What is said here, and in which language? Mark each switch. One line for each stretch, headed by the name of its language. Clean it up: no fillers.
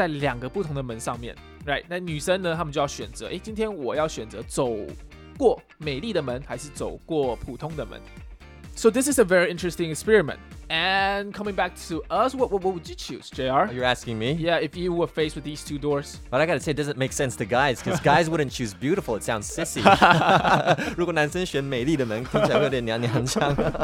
Chinese: 他把美丽跟普通放在两个不同的门上面。Right, 那女生呢, 他们就要选择, 诶, 今天我要选择走过美丽的门还是走过普通的门?
English: So this is a very interesting experiment. And coming back to us, what would you choose, JR? You're asking me? Yeah, if you were faced with these two doors. But I gotta say, it doesn't make sense to guys, because guys wouldn't choose beautiful. It sounds sissy.
Chinese: 如果男生选美丽的门,听起来有点娘娘腔。